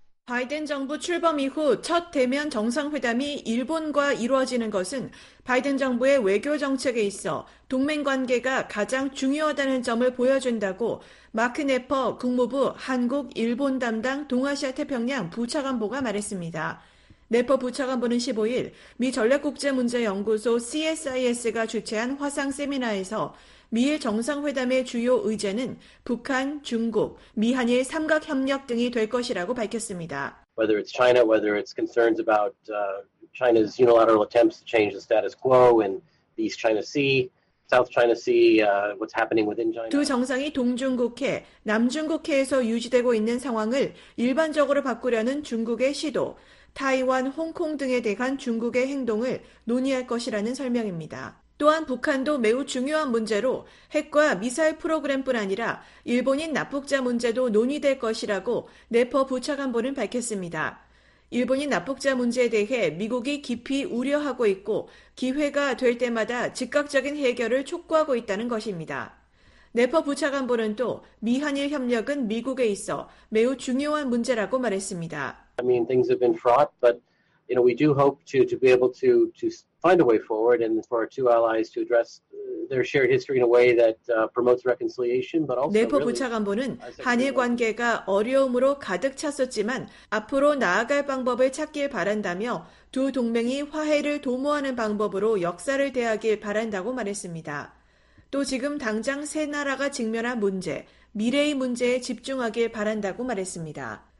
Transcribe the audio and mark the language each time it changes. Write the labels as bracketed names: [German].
[Korean] 바이든 정부 출범 이후 첫 대면 정상회담이 일본과 이루어지는 것은 바이든 정부의 외교 정책에 있어 동맹관계가 가장 중요하다는 점을 보여준다고 마크 네퍼 국무부 한국 일본 담당 동아시아 태평양 부차관보가 말했습니다. 네퍼 부차관보는 15일 미 전략국제문제연구소 CSIS가 주최한 화상 세미나에서 미일 정상회담의 주요 의제는 북한, 중국, 미한일 삼각협력 등이 될 것이라고 밝혔습니다. [English] Whether it's China, whether it's concerns about China's unilateral attempts to change the status quo in the East China Sea, South China Sea, what's happening within China. [Korean] 두 정상이 동중국해, 남중국해에서 유지되고 있는 상황을 일반적으로 바꾸려는 중국의 시도, 타이완, 홍콩 등에 대한 중국의 행동을 논의할 것이라는 설명입니다. 또한 북한도 매우 중요한 문제로 핵과 미사일 프로그램뿐 아니라 일본인 납북자 문제도 논의될 것이라고 네퍼 부차관보는 밝혔습니다. 일본인 납북자 문제에 대해 미국이 깊이 우려하고 있고 기회가 될 때마다 즉각적인 해결을 촉구하고 있다는 것입니다. 네퍼 부차관보는 또 미한일 협력은 미국에 있어 매우 중요한 문제라고 말했습니다. [English] I mean, things have been fraught, but you know, we do hope to be able to find a way forward and for our two allies to address their shared history in a way that promotes reconciliation but also [Korean] 네퍼 부차관보는 한일 관계가 어려움으로 가득 찼었지만 앞으로 나아갈 방법을 찾길 바란다며 두 동맹이 화해를 도모하는 방법으로 역사를 대하길 바란다고 말했습니다. 또 지금 당장 세 나라가 직면한 문제, 미래의 문제에 집중하길 바란다고 말했습니다.